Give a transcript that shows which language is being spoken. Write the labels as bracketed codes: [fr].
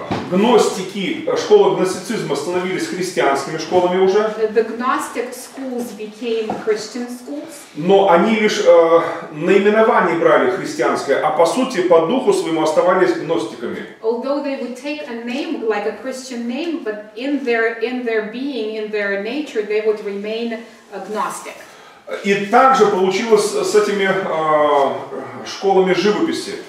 [ru] Гностики, школы гностицизма становились христианскими школами уже. [en] The Gnostic schools became Christian schools. [ru] Но они лишь наименование брали христианское, а по сути, по духу своему оставались гностиками. [en] Although they would take a name, like a Christian name, but in their being, in their nature, they would remain agnostic. [ru] И также получилось с этими школами живописи,